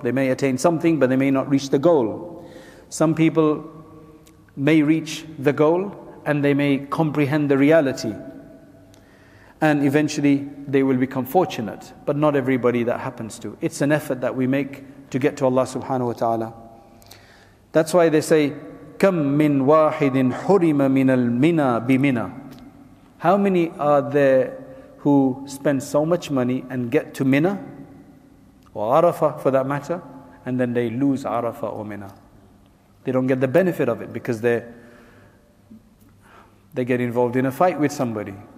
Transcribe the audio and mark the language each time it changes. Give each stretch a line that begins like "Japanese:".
English: They may attain something, but they may not reach the goal. Some people may reach the goal, and they may comprehend the reality. And eventually, they will become fortunate. But not everybody that happens to. It's an effort that we make to get to Allah subhanahu wa ta'ala. That's why they say,
Arabic: كَمْ مِنْ وَاحِدٍ حُرِمَ مِنَ الْمِنَى بِمِنَى.
English: How many are there who spend so much money and get to Mina or Arafah for that matter, and then they lose Arafah or Mina? They don't get the benefit of it because they get involved in a fight with somebody.